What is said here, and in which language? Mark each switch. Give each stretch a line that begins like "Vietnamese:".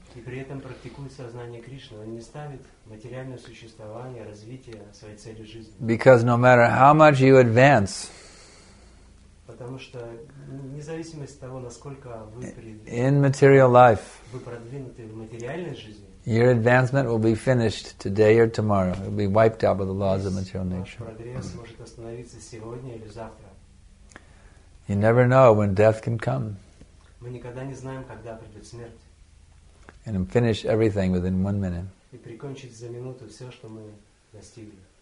Russian: И при этом практикует сознание Кришны. Он не ставит материальное существование, развитие своей цели жизни.
English: Because no matter how much you advance,
Russian: потому что вне зависимости от того, насколько вы
English: in material life,
Russian: вы продвинуты в материальной жизни,
English: your advancement will be finished today or tomorrow. It will be wiped out by the laws of material nature.
Russian: Прогресс может остановиться сегодня или завтра.
English: You never know when death can come.
Russian: Мы никогда не знаем, когда придет смерть.
English: And finish everything within 1 minute.
Russian: И прикончить за минуту все, что мы достигли.